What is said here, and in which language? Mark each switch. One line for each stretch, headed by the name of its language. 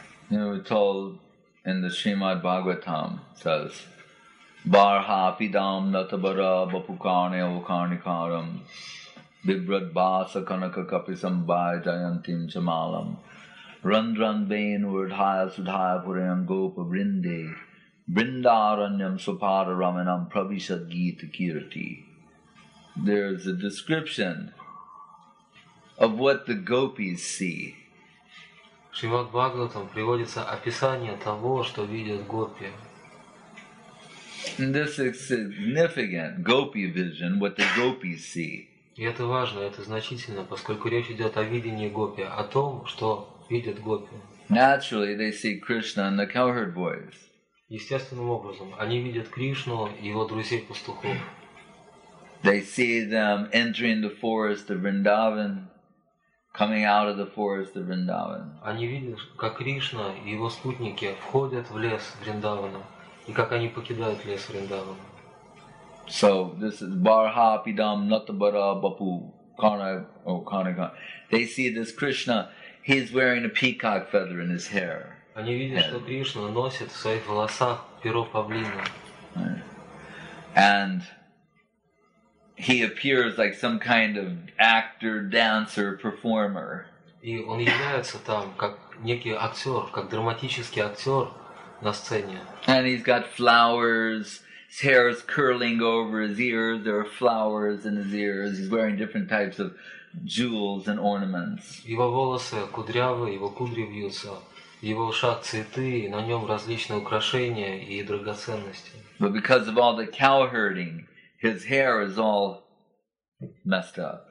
English: You know, we're told in the Srimad Bhagavatam, says,
Sanskrit: Barha pidam natabara bapukarne avukarnikaram Vibrat basa kanaka kapisam bai jayantim chamalam Randran vain urdhaya sudhaya purayam gopa vrinde Vrindaranyam supara ramanam pravishad gita kirti.
English: There's a description of what the gopis see.
Russian: Шримад Бхагаватам приводится описание того, что видят гопи.
English: And this is significant gopi vision, what the gopis see.
Russian: И это важно, это значительно, поскольку речь идет о видении гопи, о том, что видят гопи.
English: Naturally, they see Krishna and the cowherd boys.
Russian: Естественным образом, они видят Кришну и его друзей-пастухов.
English: They see them entering the forest of Vrindavan. Coming out of the forest of Vrindavan.
Russian: Они видят, как Кришна и его спутники входят в лес Вриндавана, и как они покидают лес Вриндавана.
English: So this is
Sanskrit: Barha Pidam Natabara Bapu Kana or Kana Kana.
English: They see this Krishna, he's wearing a peacock feather in his hair.
Russian: Они видят, что Кришна носит в своих волосах перо павлина.
English: And he appears like some kind of actor, dancer, performer.
Russian: И он является там как некий актер, как драматический актер на сцене.
English: And he's got flowers, his hair is curling over his ears, there are flowers in his ears, he's wearing different types of jewels and ornaments.
Russian: Его волосы кудрявые, его кудри вьются, в его ушах цветы, и на нем различные украшения и драгоценности.
English: But because of all the cow herding, his hair is all messed up.